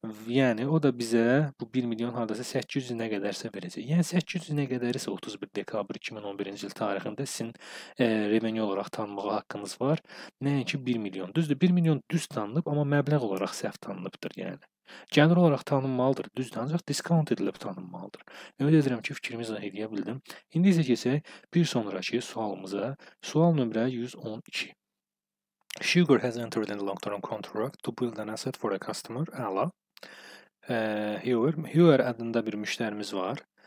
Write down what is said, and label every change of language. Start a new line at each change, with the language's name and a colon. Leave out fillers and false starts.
Azerbaijani: Yəni, o da bizə bu 1 milyon haradasa 800 nə qədərsə verəcək. Yəni, 800 nə qədər isə 31 dekabr 2011-ci il tarixində sizin revenue olaraq tanımağa haqqınız var. Nəinki 1 milyon. Düzdür, 1 milyon düz tanınıb, amma məbləğ olaraq səhv tanınıbdır. Yəni,
Turkish: Genel olarak tanınmalıdır,
Azerbaijani: düzdür,
Turkish: ancak discount edilip tanınmalıdır.
Azerbaijani: Ümid edirəm ki, fikrimi zahir edə bildim. İndi isə keçək bir sonraki sualımıza. Sual nömrə 112.
English: Sugar has entered in a long-term contract to build an asset for a customer, Ella.
Azerbaijani: Hewer adında bir müştərimiz var.